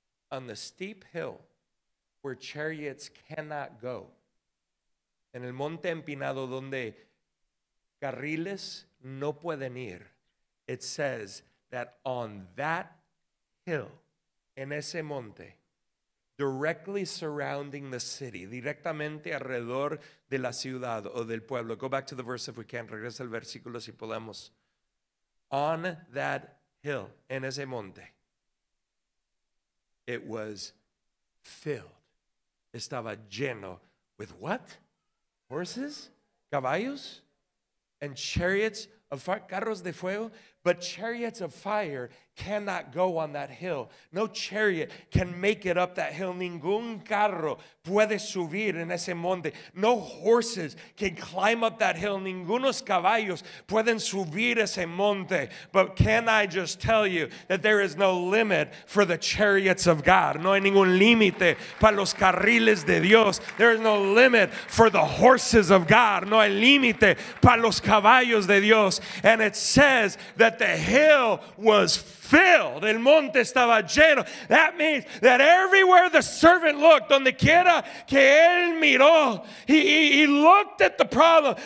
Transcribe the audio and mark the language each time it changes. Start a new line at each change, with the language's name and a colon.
English: On the steep hill where chariots cannot go.
Spanish: En el monte empinado donde carriles no pueden ir.
English: It says that on that hill,
Spanish: en ese monte,
English: directly surrounding the city,
Spanish: directamente alrededor de la ciudad o del pueblo.
English: Go back to the verse if we can.
Spanish: Regresa al versículo si podemos.
English: On that hill,
Spanish: en ese monte,
English: it was filled.
Spanish: Estaba lleno
English: with what? Horses?
Spanish: Caballos?
English: And chariots of fire?
Spanish: Carros de fuego?
English: But chariots of fire cannot go on that hill. No chariot can make it up that hill.
Spanish: Ningún carro puede subir en ese monte.
English: No horses can climb up that hill.
Spanish: Ningunos caballos pueden subir ese monte.
English: But can I just tell you that there is no limit for the chariots of God.
Spanish: No hay ningún límite para los carriles de Dios.
English: There is no limit for the horses of God.
Spanish: No hay límite para los caballos de Dios.
English: And it says that the hill was filled.
Spanish: El monte estaba lleno.
English: That means that everywhere the servant looked,
Spanish: donde quiera que él miró,
English: he looked at the problem.